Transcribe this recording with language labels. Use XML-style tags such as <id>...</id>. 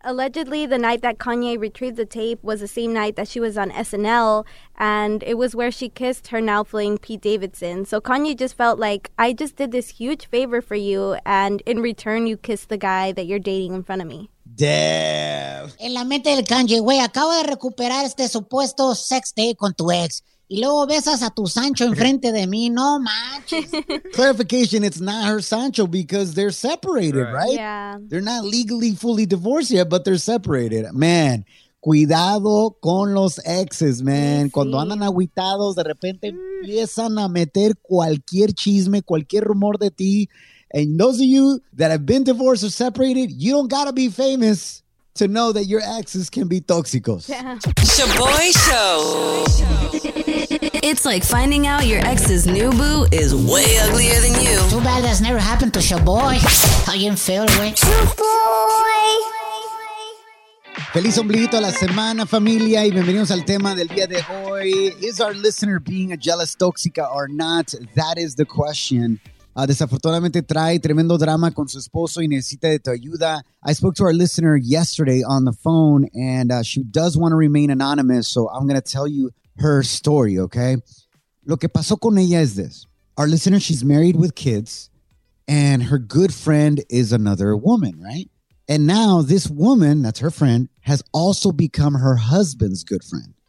<en>Allegedly, the night that Kanye retrieved the tape was the same night that she was on SNL, and it was where she kissed her now fleeing Pete Davidson. So Kanye just felt like, I just did this huge favor for you, and in return, you kissed the guy that you're dating in front of me. Damn.</en> <es>En la mente del Kanye, güey, acabo de recuperar este supuesto sex tape con tu ex. Y luego besas a tu Sancho enfrente de mí. No manches.</es> <en>Clarification, it's not her Sancho because they're separated, right? Yeah. They're not legally fully divorced yet, but they're separated. Man,</en> <es>cuidado con los exes, man. Sí. Cuando andan agüitados, de repente empiezan a meter cualquier chisme, cualquier rumor de ti.</es> <en>And those of you that have been divorced or separated, you don't gotta be famous to know that your exes can be tóxicos. Yeah. Shaboy Show. It's like finding out your ex's new boo is way uglier than you. Too bad that's never happened to Shaboy. How you feel, boy? Shaboy.</en> <es>Feliz ombliguito a la semana, familia, y bienvenidos al tema del día de hoy.</es> <en>Is our listener being a jealous tóxica or not? That is the question.</en> <es>Desafortunadamente trae tremendo drama con su esposo y necesita de tu ayuda.</es> <en>I spoke to our listener yesterday on the phone, and she does want to remain anonymous, so I'm going to tell you her story, okay?</en> <es>Lo que pasó con ella es</es> <en>this. Our listener, she's married with kids, and her good friend is another woman, right? And now this woman, that's her friend, has also become her husband's good friend.</en>